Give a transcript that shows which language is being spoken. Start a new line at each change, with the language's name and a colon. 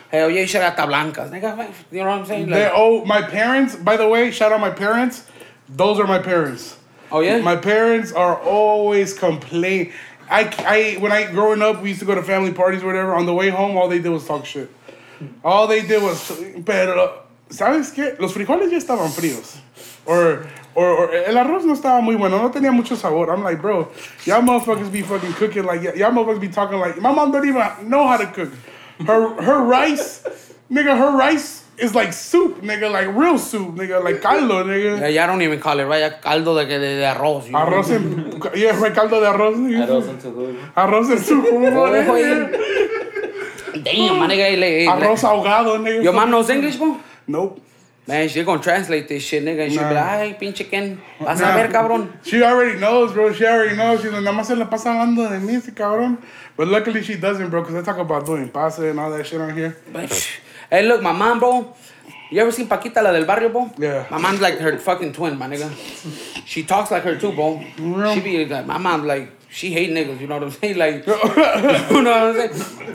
English: Hell yeah, you should have got tablancas, nigga. You know what I'm saying? Like, oh, my parents. By the way, shout out my parents. Those are my parents. Oh yeah. My parents are always complaining. When I growing up, we used to go to family parties or whatever. On the way home, all they did was talk shit. All they did was,
Spanish: pero, ¿sabes qué? Los frijoles ya estaban fríos. Or el arroz no estaba muy bueno, no tenía mucho sabor.
English: I'm like, bro, y'all motherfuckers be fucking cooking like, y'all motherfuckers be talking like, my mom don't even know how to cook. Her rice, nigga, her rice is like soup, nigga, like real soup, nigga, like caldo, nigga. Yeah, y'all don't even call it, right?
Spanish: Caldo de arroz. Arroz en, yeah, right, caldo de arroz. Arroz en tu jugo. Arroz en su jugo.
English: Damn, my nigga.
Spanish: Arroz ahogado, nigga.
English: Your mom knows English, bro? Nope. Man, she's gonna translate this shit, nigga. And she'll be like,
Spanish: ay, pinche Ken. Vas a ver, cabrón.
English: She already knows, bro. She already knows. She's like,
Spanish: nada más se la pasa hablando de mí, ese cabrón.
English: But luckily, she doesn't, bro, because I talk about doing pasta and all that shit on here. But, hey, look, my mom, bro. You ever seen Paquita, la del barrio, bro? Yeah. My mom's like her fucking twin, my nigga. She talks like her, too, bro. Yeah. She be like, my mom, like, she hate niggas, you know what I'm saying? Like, you know what I'm saying?